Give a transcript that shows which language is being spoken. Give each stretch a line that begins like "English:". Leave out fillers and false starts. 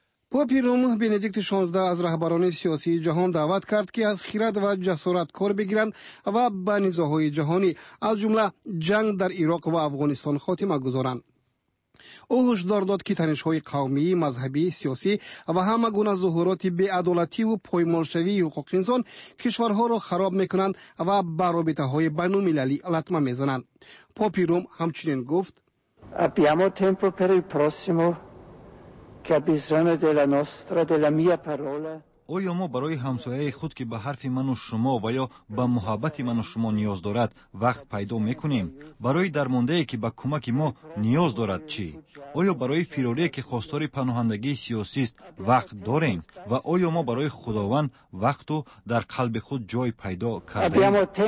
Persian: پاپی روم بندیکت 16 از رهبران سیاسی جهان دعوت کرد که از خیرت و جسارت کار بگیرند و به نزاهای جهانی از جمله جنگ در عراق و افغانستان خاتمه گذارند. او هشدار داد که تنش‌های قومی، مذهبی، سیاسی و همه گونه ظهورات بی‌عدالتی و پایمالشوی حقوق انسان کشورها را خراب می‌کنند و به رابطه‌های بین‌المللی لطمه می‌زنند. پاپی روم همچنین گفت:
Italian: «Abbiamo tempo per il prossimo che ha bisogno della nostra, della mia parola».
Persian: آیا ما برای همسایه خود که به حرف من و شما و یا به محبت من و شما نیاز دارد وقت پیدا میکنیم؟ برای درمانده که به کمک ما نیاز دارد چی؟ آیا برای فراری که خواستار پناهندگی سیاسی است وقت داریم؟ و آیا ما برای خداوند وقت و در قلب خود جای پیدا کردیم؟